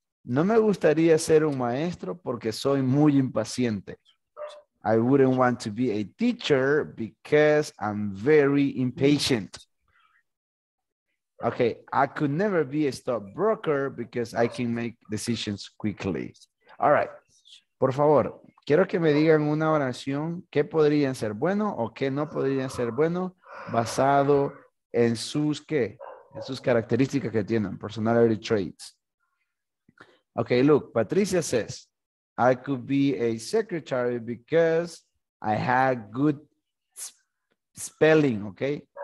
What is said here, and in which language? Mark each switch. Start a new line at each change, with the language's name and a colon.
Spanish: No me gustaría ser un maestro porque soy muy impaciente.
English: I wouldn't want to be a teacher because I'm very impatient. Okay, I could never be a stockbroker because I can make decisions quickly. All right,
Spanish: por favor, quiero que me digan una oración qué podrían ser bueno o qué no podrían ser bueno basado en sus qué, en sus características que tienen,
English: personality traits. Okay, look, Patricia says, I could be a secretary because I had good spelling, okay?